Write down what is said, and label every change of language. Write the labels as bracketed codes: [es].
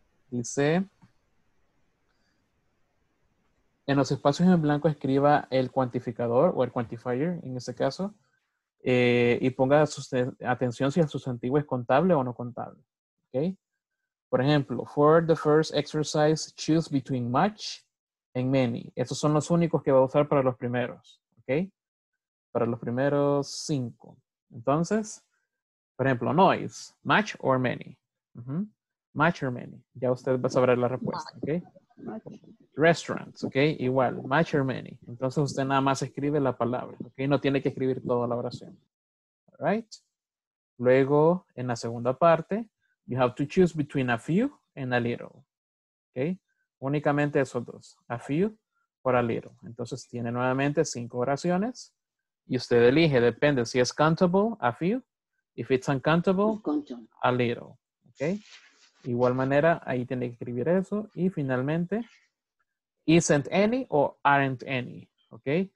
[es] Dice, en los espacios en blanco escriba el cuantificador o el quantifier en este caso. Y ponga atención si el sustantivo es contable o no contable. [en] Okay. [es] Por ejemplo, [en] for the first exercise, choose between much and many. [es] Esos son los únicos que va a usar para los primeros. Okay. Para los primeros cinco. Entonces, por ejemplo, noise, [en] much or many. [es] Uh-huh. Much or many. Ya usted va a saber la respuesta. Okay. Restaurants, ok, igual, [en] much or many. [es] Entonces usted nada más escribe la palabra, ok, no tiene que escribir toda la oración. [en] Alright. [es] Luego, en la segunda parte, [en] you have to choose between a few and a little. [es] Ok, únicamente esos dos, a few or a little. Entonces tiene nuevamente cinco oraciones y usted elige, depende si es countable, a few. [en] If it's uncountable, a little. [es] Ok. Igual manera, ahí tiene que escribir eso. Y finalmente, isn't any o aren't any. ¿Ok?